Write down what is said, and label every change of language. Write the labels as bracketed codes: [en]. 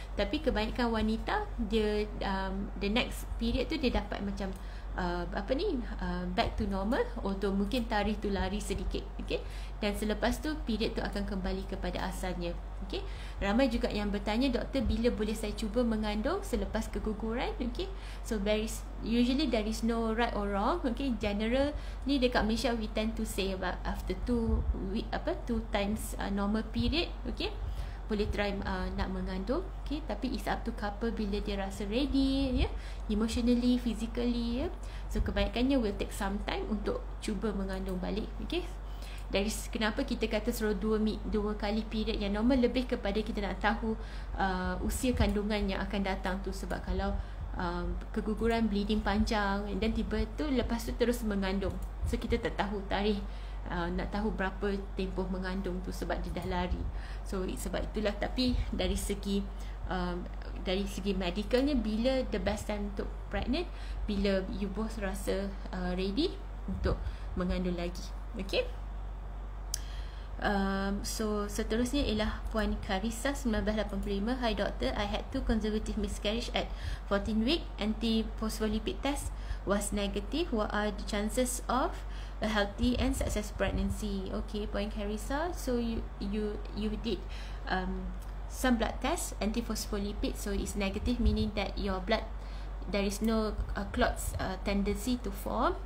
[ms] Tapi kebanyakan wanita dia [en] the next period [ms] tu dia dapat macam apa ni, [en] back to normal, [ms] atau mungkin tarikh tu lari sedikit. Okay. Dan selepas tu period tu akan kembali kepada asalnya. Okay. Ramai juga yang bertanya, doktor bila boleh saya cuba mengandung selepas keguguran? Okay. [en] So there is, usually there is no right or wrong. Okay. [ms] General ni dekat Malaysia, [en] we tend to say about after 2 week, apa, 2 times normal period. Okay. [ms] Boleh try nak mengandung. Okay. Tapi [en] it's up to couple [ms] bila dia rasa ready ya, yeah? [en] Emotionally, physically ya, yeah? [ms] So kebaikannya [en] will take some time [ms] untuk cuba mengandung balik. Okay. Dari kenapa kita kata suruh dua kali period yang normal, lebih kepada kita nak tahu usia kandungan yang akan datang tu. Sebab kalau keguguran bleeding panjang dan tiba tu lepas tu terus mengandung, so kita tak tahu tarikh, nak tahu berapa tempoh mengandung tu sebab dia dah lari. So sebab itulah, tapi dari segi dari segi medicalnya, bila [en] the best time [ms] untuk pregnant, bila [en] you both [ms] rasa ready untuk mengandung lagi. Okay. So seterusnya ialah Puan Karissa 1985. [en] Hi doctor, I had 2 conservative miscarriage at 14 week. Anti-phospholipid test was negative. What are the chances of a healthy and successful pregnancy? Okay Puan Karissa, so you did some blood test, anti-phospholipid, so it's negative, meaning that your blood, there is no clots tendency to form.